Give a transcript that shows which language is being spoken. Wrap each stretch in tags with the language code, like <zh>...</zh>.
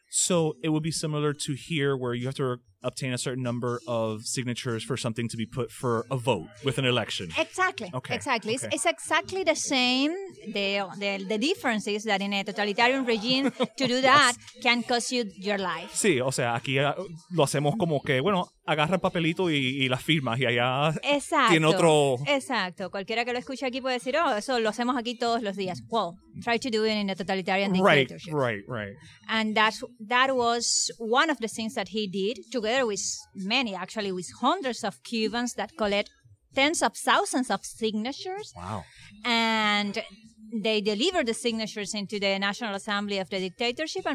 <en>So it would be similar to here where you have to obtain a certain number of signatures for something to be put for a vote with an election. Exactly. Okay. Exactly. Okay. It's exactly the same. The difference is that in a totalitarian regime, to do that yes. can cost you your life.</en> <es>Sí, o sea, aquí lo hacemos como que, bueno, agarra el papelito y las firmas y allá exacto. tiene otro... Exacto. Cualquiera que lo escuche aquí puede decir, oh, eso lo hacemos aquí todos los días.</es> <en>Well, try to do it in a totalitarian dictatorship. Right, right, right. And that was one of the things that he did to together with many, actually with hundreds of Cubans that collect tens of thousands of signatures. Wow. And they deliver the signatures into the National Assembly of the dictatorship.</en>